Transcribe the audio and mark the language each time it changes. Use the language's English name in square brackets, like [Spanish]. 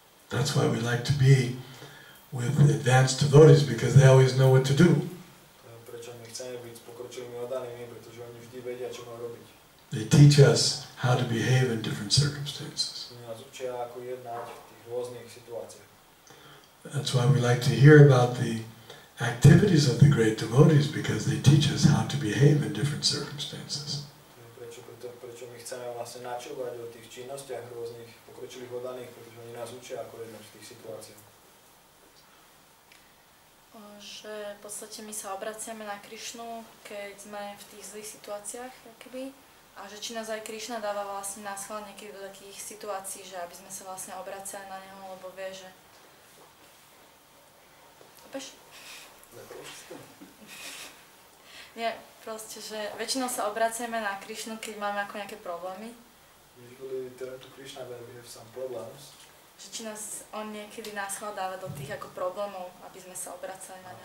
[English] That's why we like to be with advanced devotees because they always know what to do. [Slovak] Prečo my chceme byť s pokročilými oddanými, pretože oni vždy vedia, čo majú robiť. [English] They teach us how to behave in different circumstances. [Slovak] Nás učia, ako jednať v tých rôznych situáciách. [English] That's why we like to hear about the activities of the great devotees because they teach us how to behave in different circumstances. [Slovak] Prečo my chceme vlastne načúvať o tých činnostiach rôznych pokročilých oddaných, pretože oni nás učia, ako jednať v tých situáciách. Že v podstate my sa obraciame na Krišnu, keď sme v tých zlých situáciách, akoby, a že či nás aj Krišna dáva vlastne náschval niekedy do takých situácií, že aby sme sa vlastne obraciali na Neho, lebo vie, že... Opäš? Nie, proste, že väčšinou sa obraciame na Krišnu, keď máme ako nejaké problémy. [English] Usually, turn to Krishna when we have some problems. [Slovak] Že či nás on niekedy náschval dáva do tých ako problémov, aby sme sa obracali na ňa.